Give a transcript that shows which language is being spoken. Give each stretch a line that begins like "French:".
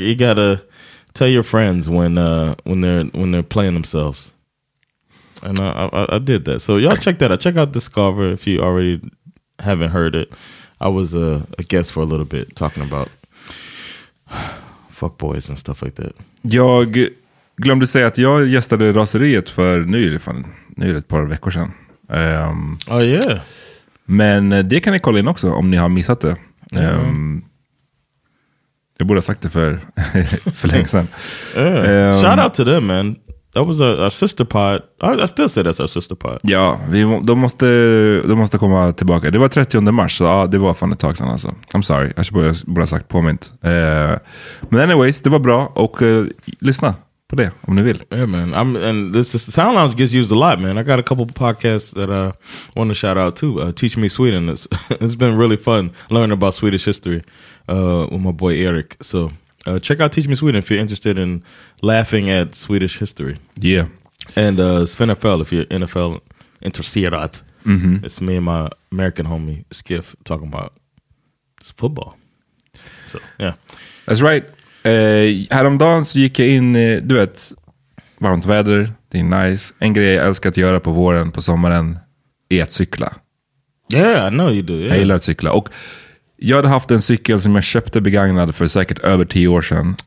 English: you gotta tell your friends when they're playing themselves. And I did that. So y'all check that out. Check out Discover if you already haven't heard it. I was a guest for a little bit talking about fuckboys and stuff like that.
Swedish: Jag glömde säga att jag gästade Raseriet för nu är det ett par veckor sedan.
English: Oh yeah.
Swedish: Men det kan ni kolla in också om ni har missat det. Jag borde ha sagt det för länge sedan.
English: Yeah. Shout out to them, man. That was a sister pod. I still say that's our sister pod.
Swedish: Ja, de måste komma tillbaka. Det var 30 mars, så det var fan ett tag sedan alltså.
English: I'm sorry,
Swedish: jag skulle bara sagt påmint. Men anyways, det var bra. Och lyssna på det, om ni vill.
English: Yeah, man. And this Sound Lounge gets used a lot, man. I got a couple podcasts that I want to shout out to. Teach Me Sweden. It's been really fun learning about Swedish history with my boy Eric. So Check out Teach Me Sweden if you're interested in laughing at Swedish history. Yeah. And SvenFL, if you're NFL interested. Mm-hmm. It's me and my American homie, Skiff, talking about football. So, yeah. That's right.
Swedish: Häromdagen så gick jag in, du vet, varmt väder, det är nice. En grej jag älskar att göra på våren, på sommaren, är att cykla.
English: Yeah, I know you do. Yeah.
Swedish: Jag gillar att cykla. Och jag hade haft en cykel som jag köpte begagnad för säkert över 10 år sedan.